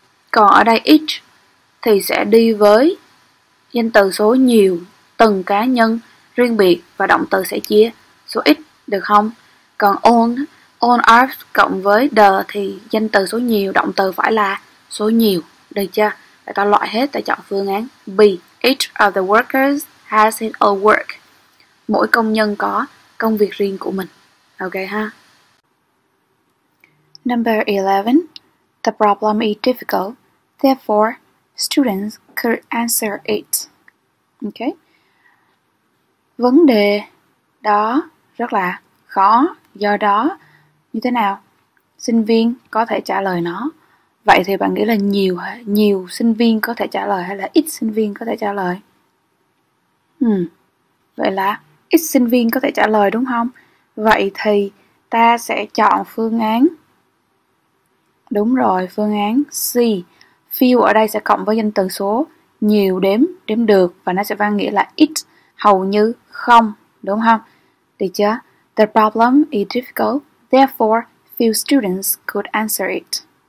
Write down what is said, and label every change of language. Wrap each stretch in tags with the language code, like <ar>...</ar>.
<vi>Còn ở đây H thì sẽ đi với danh từ số nhiều, từng cá nhân riêng biệt, và động từ sẽ chia số ít, được không? Còn all are cộng với the thì danh từ số nhiều, động từ phải là số nhiều, được chưa? Để ta loại hết, ta chọn phương án B.</vi> <en>Each of the workers has his own work.</en> <vi>Mỗi công nhân có công việc riêng của mình. Ok ha?</vi> <en>Number 11. The problem is difficult. Therefore, students could answer it. Ok.</en> <vi>Vấn đề đó rất là khó, do đó như thế nào? Sinh viên có thể trả lời nó. Vậy thì bạn nghĩ là nhiều sinh viên có thể trả lời hay là ít sinh viên có thể trả lời? Vậy là ít sinh viên có thể trả lời, đúng không? Vậy thì ta sẽ chọn phương án. Đúng rồi, phương án C. Few ở đây sẽ cộng với danh từ số nhiều đếm được, và nó sẽ mang nghĩa là ít, hầu như không, đúng không? Được chưa?</vi> <en>The problem is difficult, therefore few students could answer it.</en>